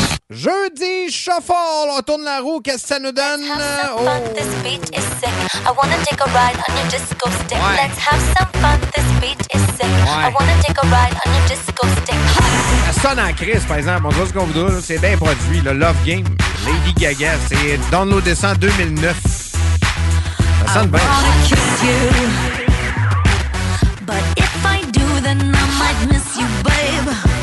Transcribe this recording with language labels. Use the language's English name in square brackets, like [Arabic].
[French] Jeudi Shuffle, on tourne la roue, qu'est-ce que ça nous donne? [English] Let's have some fun, this beat is sick. I wanna take a ride on your disco stick. Why? Let's have some fun, this beat is sick. Why? I wanna take a ride on your disco stick. [French] Ça sonne en crise, par exemple, on voit ce qu'on voudrait, c'est bien produit, le Love Game, Lady Gaga, c'est Download Descent 2009. Ça sonne bien. [English] I wanna kiss you, but if I do, then I might miss you, babe.